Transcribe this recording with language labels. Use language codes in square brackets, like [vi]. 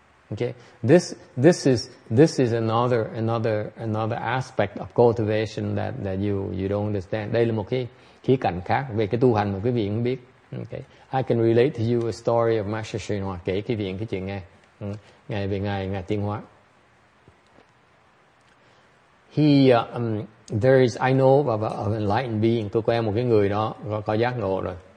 [en] Okay, this is another aspect of cultivation that you don't understand. [vi] Đây là một cái khía cạnh khác về cái tu hành mà quý vị không biết. [en] Okay, I can relate to you a story of Master Shinhua. [vi] Kể quý vị cái chuyện nghe. Ngài về ngài Tiên Hóa. [en] there is, I know of an enlightened being. [vi] Tôi quen một cái người đó có giác ngộ rồi.